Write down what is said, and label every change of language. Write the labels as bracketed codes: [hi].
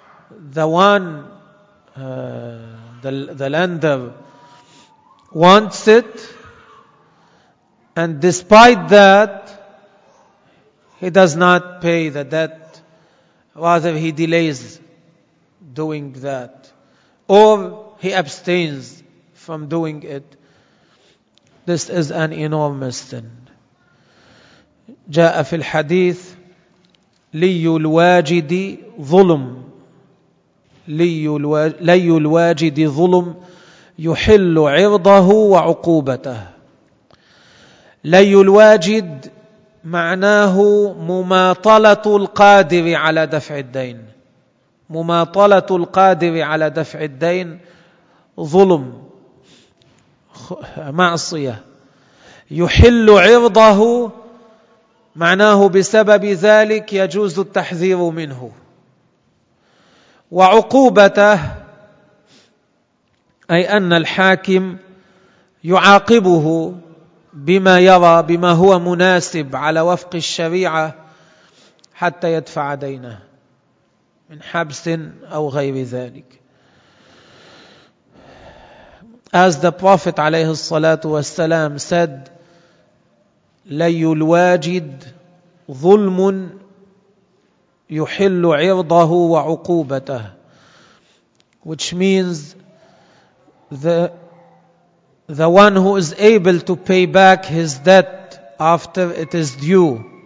[en] The one, the lender wants it, and despite that, he does not pay the debt, rather he delays doing that, or he abstains from doing it. This is an enormous sin. [ar] جاء في الحديث لي الواجد ظلم لي الواجد ظلم يحل عرضه وعقوبته. لي الواجد معناه مماطلة القادر على دفع الدين. مماطلة القادر على دفع الدين ظلم معصية. يحل عرضه معناه بسبب ذلك يجوز التحذير منه. وعقوبته أي أن الحاكم يعاقبه بما يرى بما هو مناسب على وفق الشريعة حتى يدفع دينه من حبس أو غير ذلك. [en] As the Prophet [ar] عليه الصلاة والسلام [en] said, [ar] لي الواجد ظلم يحل عرضه وعقوبته, [en] which means the one who is able to pay back his debt after it is due